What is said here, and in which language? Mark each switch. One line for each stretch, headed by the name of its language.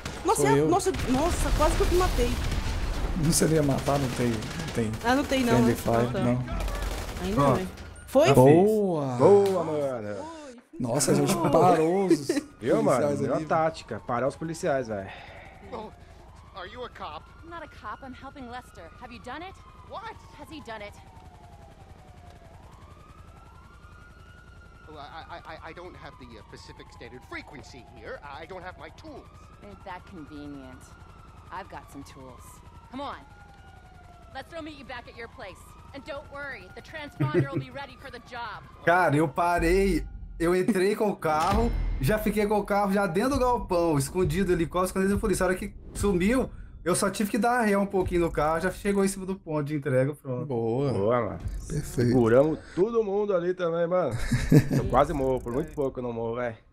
Portuguese: Nossa, nossa, quase que eu te matei. Não seria matar, não tem. Ah, não tem não, Fire, não. Ainda não, velho. Foi? Boa! Boa, mano! Nossa, a gente parou os policiais. Viu, mano? É uma tática, parar os policiais, velho.
English: Are you a cop? I'm not a cop, I'm helping Lester. Have you done it? What? Has he done it? Well, I don't have the Pacific Standard Frequency here. I don't have my tools. Ain't that convenient. I've got some tools. Come on. Let's throw meet you back at your place. And don't worry, the transponder will be ready for the job.
Portuguese: Cara, eu parei. Eu entrei com o carro, já fiquei com o carro já dentro do galpão, escondido ali, quase escondido da polícia. A hora que sumiu, eu só tive que dar ré um pouquinho no carro, já chegou em cima do ponto de entrega, pronto. Boa, mano. Perfeito. Curamos todo mundo ali também, mano. Eu quase morro, por muito pouco eu não morro, velho.